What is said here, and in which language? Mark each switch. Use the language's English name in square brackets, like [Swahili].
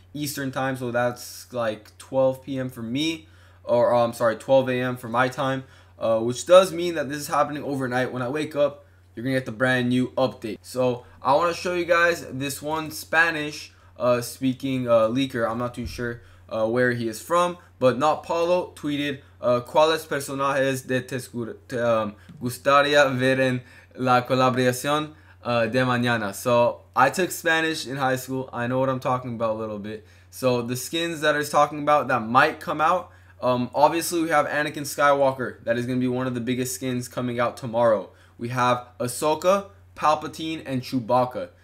[English] Eastern time. So that's like 12 p.m. for me, or 12 a.m. for my time, which does mean that this is happening overnight. When I wake up, you're gonna get the brand new update. So I want to show you guys this one Spanish speaking leaker. I'm not too sure where he is from, but Not Paulo tweeted, [Spanish] ¿Cuáles personajes de te gustaría ver en la colaboración de mañana? [English] So I took Spanish in high school. I know what I'm talking about a little bit. So the skins that he's talking about that might come out, obviously we have Anakin Skywalker. That is going to be one of the biggest skins coming out tomorrow. We have Ahsoka, Palpatine, and Chewbacca.